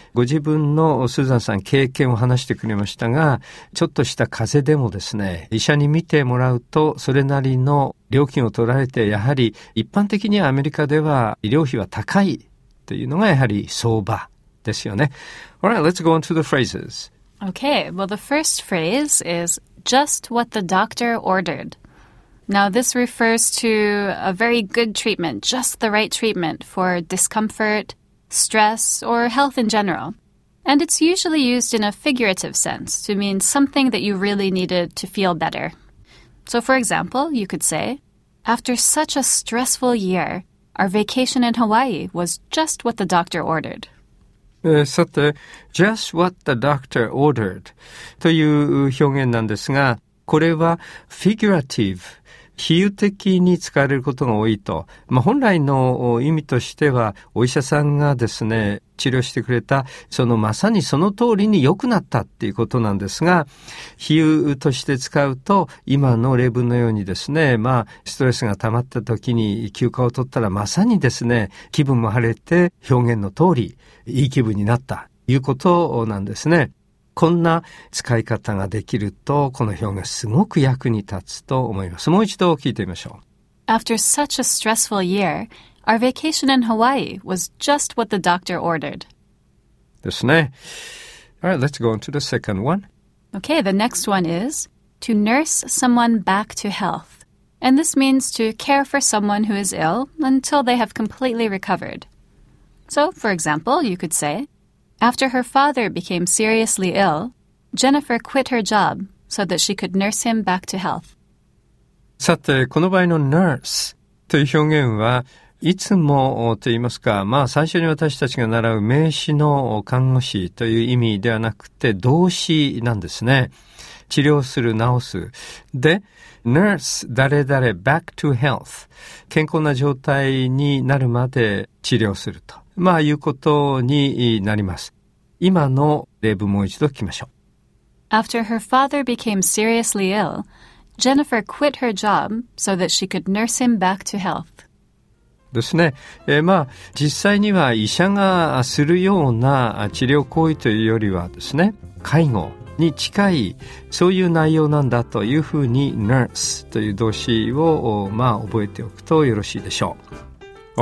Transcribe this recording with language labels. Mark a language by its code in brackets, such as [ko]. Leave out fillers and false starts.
[ja] ご自分のスーザンさん経験を話してくれましたが、ちょっとした風邪でもですね、医者に診てもらうと、それなりの料金を取られて、やはり一般的にアメリカでは医療費は高いというのがやはり相場ですよね。 [en] Alright, let's go on to the phrases. Okay, well the first phrase is just what the doctor ordered. Now, this refers to a very good treatment, just the right treatment for discomfort, stress, or health in general. And it's usually used in a figurative sense to mean something that you really needed to feel better. So, for example, you could say, After such a stressful year, our vacation in Hawaii was just what the doctor ordered. [ja] さて、 [en] just what the doctor ordered [ja] という表現なんですが、これは figurative、比喩的に使われることが多いと、まあ、本来の意味としてはお医者さんがですね治療してくれたそのまさにその通りに良くなったっていうことなんですが、比喩として使うと今の例文のようにですね、まあストレスが溜まった時に休暇を取ったらまさにですね気分も晴れて表現の通りいい気分になったということなんですね。こんな使い方ができると、この表現すごく役に立つと思います。もう一度聞いてみましょう。 [en] After such a stressful year, our vacation in Hawaii was just what the doctor ordered. [ja] ですね。 [en] All right, let's go on to the second one. Okay, the next one is to nurse someone back to health. And this means to care for someone who is ill until they have completely recovered. So, for example, you could say,After her father became seriously ill, Jennifer quit her job so that she could nurse him back to health. [ja] さて、この場合の nurse という表現は、いつもと言いますか、まあ最初に私たちが習う名詞の看護師という意味ではなくて動詞なんですね。治療する、治す。で、nurse 誰々 [en] back to health。 [ja] 健康な状態になるまで治療すると。まあいうことになります。今の例文もう一度聞きましょう。 [en] After her father became seriously ill, Jennifer quit her job so that she could nurse him back to health. [ja] ですね。まあ実際には医者がするような治療行為というよりはですね、介護に近いそういう内容なんだというふうに nurse という動詞をまあ覚えておくとよろしいでしょう。